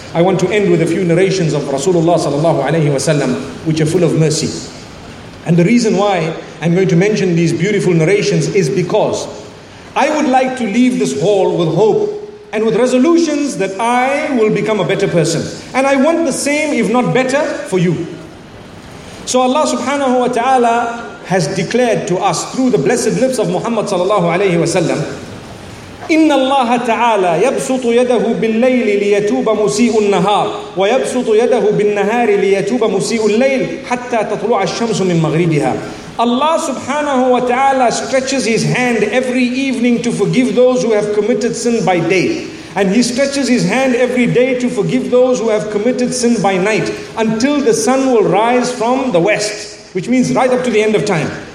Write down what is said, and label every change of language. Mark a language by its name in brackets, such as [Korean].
[English] I want to end with a few narrations of Rasulullah sallallahu alayhi wa sallam, which are full of mercy. And the reason why I'm going to mention these beautiful narrations is because I would like to leave this hall with hope and with resolutions that I will become a better person. And I want the same, if not better, for you. So Allah subhanahu wa ta'ala has declared to us through the blessed lips of Muhammad sallallahu alayhi wa sallam, [Arabic] إِنَّ اللَّهَ تَعَالَى يَبْسُطُ يَدَهُ بِاللَّيْلِ لِيَتُوبَ مُسِيءُ النَّهَارِ وَيَبْسُطُ يَدَهُ بِالنَّهَارِ لِيَتُوبَ مُسِيءُ اللَّيْلِ حَتَّى تَطْلُعَ الشَّمْسُ مِنْ مَغْرِبِهَا. [English] Allah subhanahu wa ta'ala stretches His hand every evening to forgive those who have committed sin by day. And He stretches His hand every day to forgive those who have committed sin by night, until the sun will rise from the west, which means right up to the end of time.